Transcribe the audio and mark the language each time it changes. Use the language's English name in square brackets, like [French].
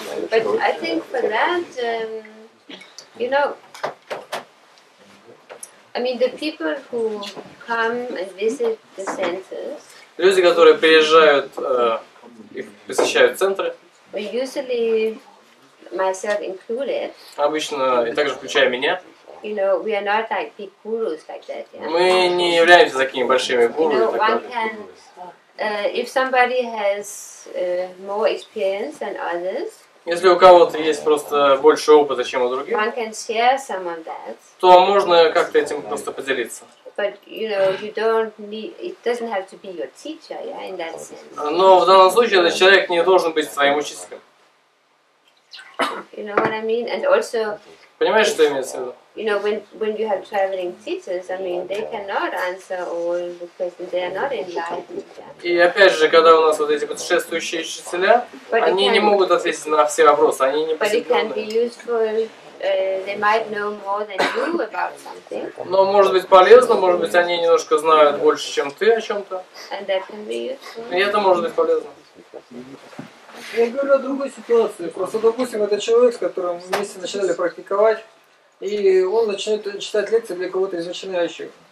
[English] But I think for that, you know, I mean, the people who come and visit the centers. [Russian] Люди, которые приезжают и посещают центры. [English] We usually. Myself included. [Russian] Обычно, и также включая меня. [English] You know, we are not like big gurus like that, yeah? [Russian] Мы не являемся такими большими гуру. [English] You know, one can, if somebody has more experience than others. [Russian] Если у кого-то есть просто больше опыта, чем у других, [English] one can share some of that, [Russian] то можно как-то этим просто поделиться. [English] But you know, you don't need, it doesn't have to be your teacher, yeah, in that sense. [Russian] Но в данном случае этот человек не должен быть своим учителем. [English] You know what I mean? And also, [Russian] понимаешь, что имеется в виду? [English] You know, when you have traveling teachers, I mean, they cannot answer all the questions. They are not enlightened. [Russian] И опять же, когда у нас вот эти путешествующие учителя, они не могут ответить на все вопросы, они не посвященные. [English] But it can be useful. They might know more than you about something. [Russian] Но может быть полезно, может быть они немножко знают больше, чем ты о чем-то. [English] And that can be useful. [Russian] И это может быть полезно. Я говорю о другой ситуации. Просто, допустим, это человек, с которым мы вместе начинали практиковать, и он начинает читать лекции для кого-то из начинающих.